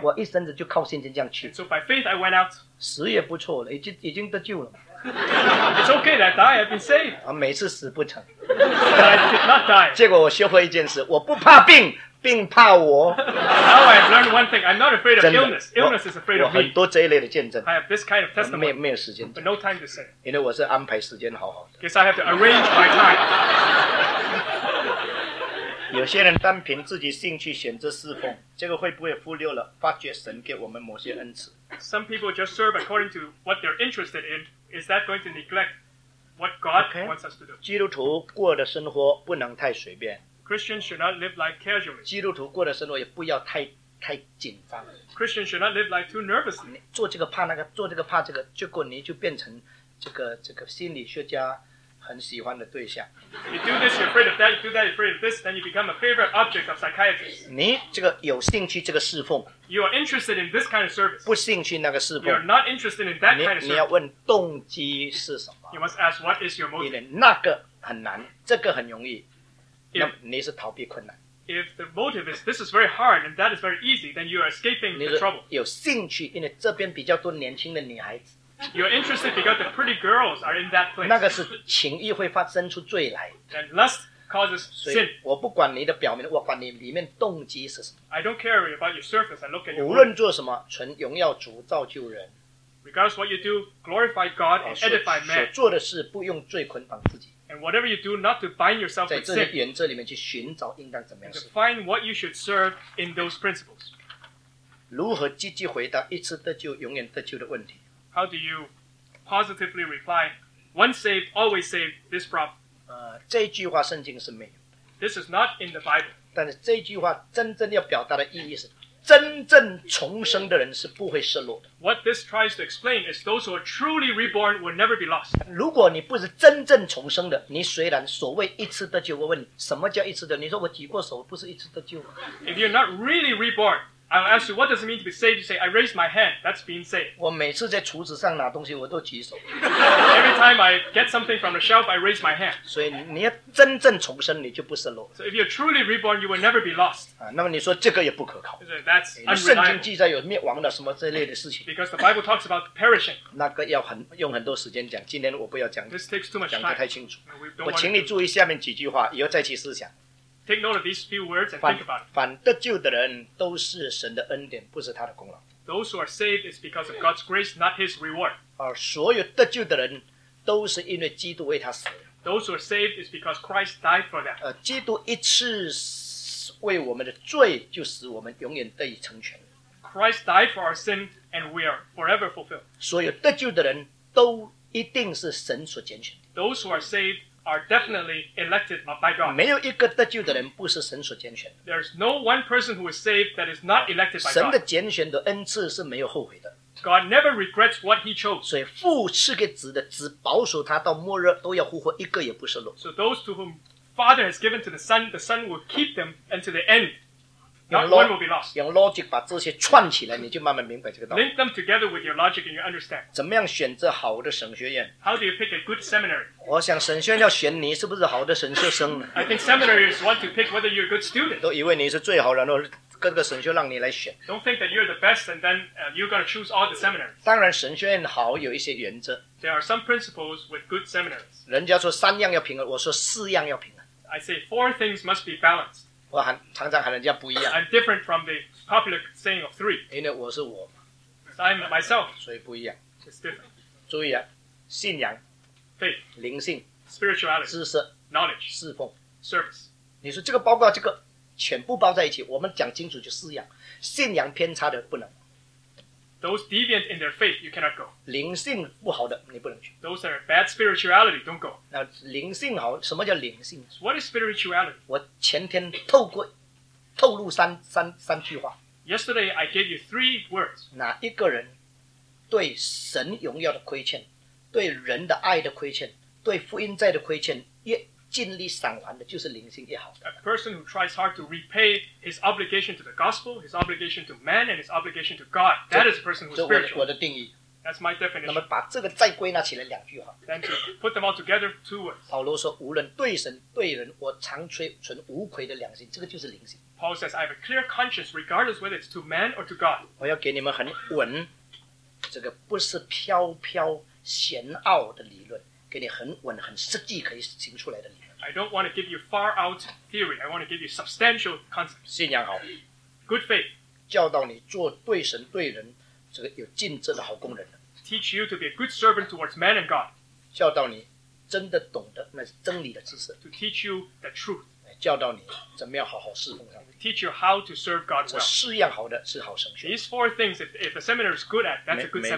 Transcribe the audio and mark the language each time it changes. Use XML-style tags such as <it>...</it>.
<zh>我一生子就靠信心这样去。</zh> <en>And so by faith, I went out.</en> <zh>死也不错了，已经得救了。</zh> <en>It's okay that I die, I've been saved.</en> <zh>啊，每次死不成。</zh> <en>But I did not die.</en> <zh>结果我学会一件事，我不怕病，病怕我。</zh> <en>Now I've learned one thing, I'm not afraid of illness. Illness is afraid of me.</en> <zh>我很多这一类的见证。</zh> <en>I have this kind of testimony.</en> <zh>没有时间。</zh> <en>But no time to say.</en> <zh>因为我是安排时间好好的。</zh> <en>Because I have to arrange my time.</en> <zh>有些人单凭自己兴趣选择侍奉，这个会不会忽略了发掘神给我们某些恩赐？</zh> <en>Some people just serve according to what they're interested in. Is that going to neglect what God okay. wants us to do?</en> <zh>基督徒过的生活不能太随便。</zh> <en>Christians should not live life casually.</en> <zh>基督徒过的生活也不要太紧张。</zh> <en>Christians should not live life too nervously.</en> <zh>做这个怕那个，做这个怕这个，结果你就变成这个心理学家。很喜欢的对象。</zh> <en>You do this, you're afraid of that. You do that, you're afraid of this. Then you become a favorite object of psychiatrists.</en> <zh>你这个有兴趣这个侍奉。</zh> <en>You are interested in this kind of service.</en> <zh>不兴趣那个侍奉。</zh> <en>You are not interested in that kind of service.</en> <zh>你要问动机是什么。</zh> <en>You must ask what is your motive.</en> <zh>那个很难，这个很容易。那你是逃避困难。</zh> <en>If the motive is this is very hard and that is very easy, then you are escaping the trouble.</en> <zh>你有兴趣，因为这边比较多年轻的女孩子。</zh> <en>You're interested because the pretty girls are in that place.</en> <zh>那个是情欲会发生出罪来。</zh> <en>And lust causes sin.</en> <zh>我不管你的表面，我管你里面动机是什么。</zh> <en>I don't care about your surface. I look at your.</en> <zh>无论做什么，纯荣耀主造就人。</zh> <en>Regardless what you do, glorify God and edify man.</en> <zh>所做的事不用罪捆绑自己。</zh> <en>And whatever you do, not to bind yourself with sin.</en> <zh>在这些原则里面去寻找应当怎么样</zh> <en>是。To find what you should serve in those principles.</en> <zh>如何积极回答一次得救永远得救的问题？</zh> <en>How do you positively reply, once saved, always saved, this problem?</en> <zh>这句话圣经是没有。</zh> <en>This is not in the Bible.</en> <zh>但是这句话真正要表达的意义是，真正重生的人是不会失落的。</zh> <en>What this tries to explain is those who are truly reborn will never be lost.</en> <zh>如果你不是真正重生的，你虽然所谓一次得救，我问你，什么叫一次得救？你说我举过手，不是一次得救。</zh> <en>If you're not really reborn,I'll ask you, what does it mean to be saved? You say, I raise my hand. That's being saved.</en> <zh>我每次在橱子上拿东西，我都举手。</zh> <en>Every time I get something from the shelf, I raise my hand.</en> <zh>所以你要真正重生，你就不失落。</zh> <en>So if you're truly reborn, you will never be lost.</en> <zh>那么你说这个也不可靠。</zh> <en>That's unreliable.</en> <zh>圣经记载有灭亡的什么这类的事情。</zh> <en>Because the Bible talks about perishing.</en> <zh>那个要用很多时间讲，今天我不要讲。</zh> <en>This takes too much time.</en> <zh>讲得太清楚。我请你注意下面几句话，以后再去思想。</zh> <en>Take note of these few words and think about it.</en> <zh>反得救的人都是神的恩典，不是他的功劳。</zh> <en>Those who are saved is because of God's grace, not His reward.</en> <zh>而所有得救的人都是因为基督为他死。</zh> <en>Those who are saved is because Christ died for them.</en> <zh>基督一次为我们的罪，就使我们永远得以成全。</zh> <en>Christ died for our sin, and we are forever fulfilled.</en> <zh>所有得救的人都一定是神所拣选。</zh> <en>Those who are saved. Are definitely elected by God.</en> <zh>没有一个得救的人不是神所拣选的。</zh> <en>There is no one person who is saved that is not elected by God.</en> <zh>神的拣选的恩赐是没有后悔的。</zh> <en>God never regrets what He chose.</en> <zh>所以父赐给子的，子保守他到末日都要复活，一个也不失落。</zh> <en>So those to whom Father has given to the Son will keep them until the end. Not one will be lost.</en> <zh>用 logic 把这些串起来，你就慢慢明白这个道理。</zh> <en>Link them together with your logic and you understand.</en> <zh>怎么样选择好的神学院</zh> <en>？How do you pick a good seminary?</en> <zh>我想神学院要选你是不是好的神学生呢</zh> <en>I think seminaries want to pick whether you're a good student.</en> <zh>都以为你是最好的然后各个神学让你来选。</zh> <en>Don't think that you're the best and then you're going to choose all the seminaries.</en> <zh>当然神学院好有一些原则。</zh> <en>There are some principles with good seminaries.</en> <zh>人家说三样要平衡我说四样要平衡。</zh> <en>I say four things must be balanced.</en> <zh>我喊常常喊人家不一样。</zh> <en>I'm different from the popular saying of three.</en> <zh>因为我是我。</zh> <en>I'm myself.</en> <zh>所以不一样。</zh> <en>It's different.</en> <zh>注意啊信仰。</zh> <en>Faith,</en> <zh>灵性</zh> <en>spirituality,</en> <zh>知识</zh> <en>knowledge,</en> <zh>侍奉</zh> <en>service.</en> <zh>你说这个包括这个全部包在一起我们讲清楚就四样信仰偏差的不能</zh> <en>Those deviant in their faith, you cannot go.</en> <zh>灵性不好的你不能去</zh> <en>Those that are bad spirituality, don't go.</en> <zh>那灵性好什么叫灵性</zh> <en>What is spirituality?</en> <zh>我前天透露三句话</zh> <en>Yesterday, I gave you three words.</en> <zh>哪一个人对神荣耀的亏欠对人的爱的亏欠，对福音债的亏欠，越尽力偿还的，就是灵性越好。</zh> <en>A person who tries hard to repay his obligation to the gospel, his obligation to man, and his obligation to God, that is a person who's spiritual.</en> <zh>我的定义。</zh> <en>That's my definition.</en> <zh>那么把这个再归纳起来两句哈。</zh> <en>Then to put them all together, two words.</en> <zh>保罗说：“无论对神对人，我常存无愧的良心。”这个就是灵性。</zh> <en>Paul says, I have a clear conscience regardless whether it's to man or to God.</en> <zh>我要给你们很稳，这个不是飘飘玄奥的理论，给你很稳很实际可以行出来的理论。</zh> <en>I don't want to give you far out theory. I want to give you substantial concepts.</en> <zh>信仰好。</zh> <en>Good faith.</en> <zh>教导你做对神对人这个有尽责的好工人。</zh> <en>Teach you to be a good servant towards man and God.</en> <zh>教导你真的懂得那真理的知识。</zh> <en>To teach you the truth.</en> <zh>教导你怎么样好好侍奉上帝。</zh> <en>Teach you how to serve God well.</en> <zh>试验好的是好神学。</zh> <en>These four things, if a seminar is good at, that's a good seminar.</en>